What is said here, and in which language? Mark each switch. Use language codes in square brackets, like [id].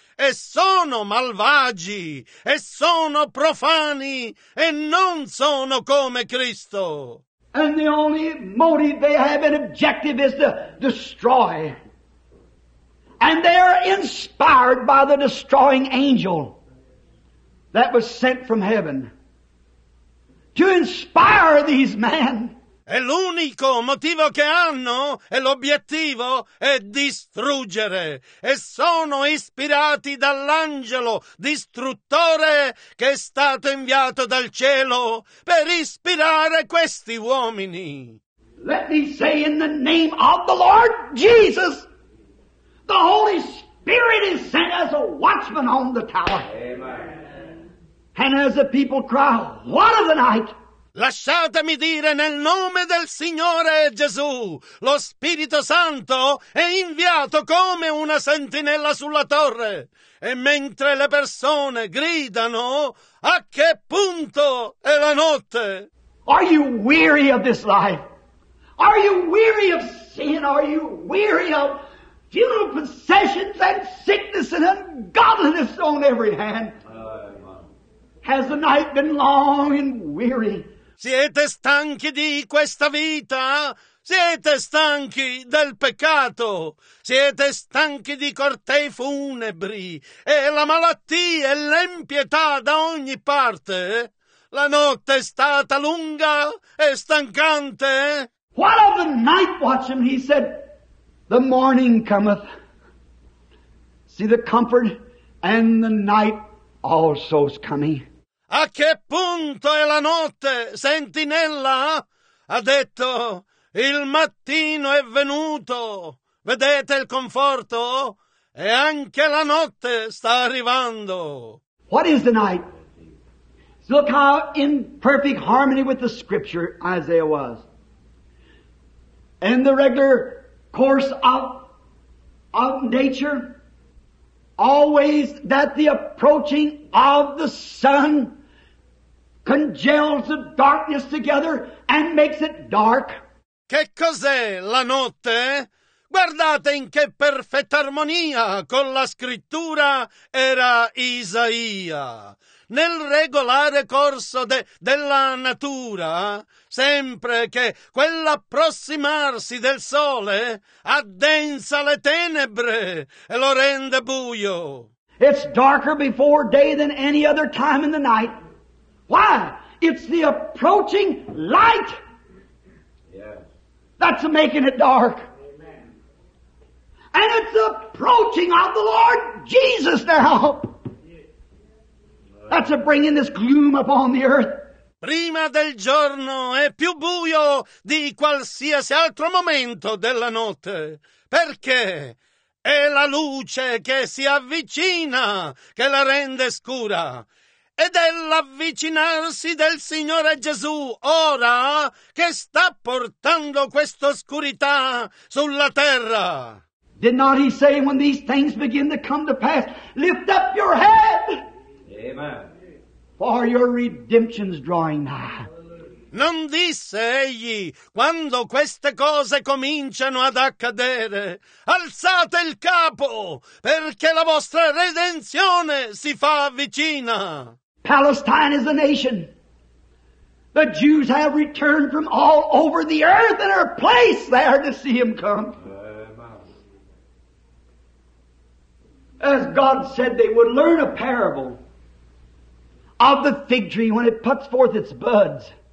[it] E sono malvagi, e sono profani, e non sono come Cristo. [en] And the only motive they have an objective is to destroy. And they are inspired by the destroying angel that was sent from heaven to inspire these men. [it] E l'unico motivo che hanno e l'obiettivo è distruggere. E sono ispirati dall'angelo distruttore che è stato inviato dal cielo per ispirare questi uomini. [en] Let me say in the name of the Lord Jesus, the Holy Spirit is sent as a watchman on the tower. Amen. And as the people cry, "What of the night?" [it] Lasciatemi dire nel nome del Signore Gesù, lo Spirito Santo è inviato come una sentinella sulla torre. E mentre le persone gridano, a che punto è la notte? [en] Are you weary of this life? Are you weary of sin? Are you weary of funeral possessions and sickness and ungodliness on every hand? Has the night been long and weary? [it] Siete stanchi di questa vita? Siete stanchi del peccato? Siete stanchi di cortei funebri? E la malattia e l'impietà da ogni parte? La notte è stata lunga e stancante? [en] What of the night watchman? He said, the morning cometh. See the comfort and the night also is coming. [it] A che punto è la notte, sentinella? Ha detto, il mattino è venuto. Vedete il conforto? E anche la notte sta arrivando. [en] What is the night? Look how in perfect harmony with the scripture Isaiah was. And the regular course of nature. Always that the approaching of the sun congeals the darkness together and makes it dark. [it] Che cos'è la notte? Guardate in che perfetta armonia con la scrittura era Isaia. Nel regolare corso della natura, sempre che quell'approssimarsi del sole addensa le tenebre e lo rende buio. [en] It's darker before day than any other time in the night. Why? It's the approaching light that's making it dark. And it's the approaching of the Lord Jesus now that's bringing this gloom upon the earth. [it] Prima del giorno è più buio di qualsiasi altro momento della notte. Perché? È la luce che si avvicina che la rende scura. Ed è l'avvicinarsi del Signore Gesù ora che sta portando questa oscurità sulla terra. [en] Did not he say when these things begin to come to pass, lift up your head? Amen. For your redemption's drawing nigh. [it] Non disse egli, quando queste cose cominciano ad accadere, alzate il capo, perché la vostra redenzione si fa vicina. [en] Palestine is a nation. The Jews have returned from all over the earth and are placed there to see him come. As God said, they would learn a parable of the fig tree when it puts forth its buds.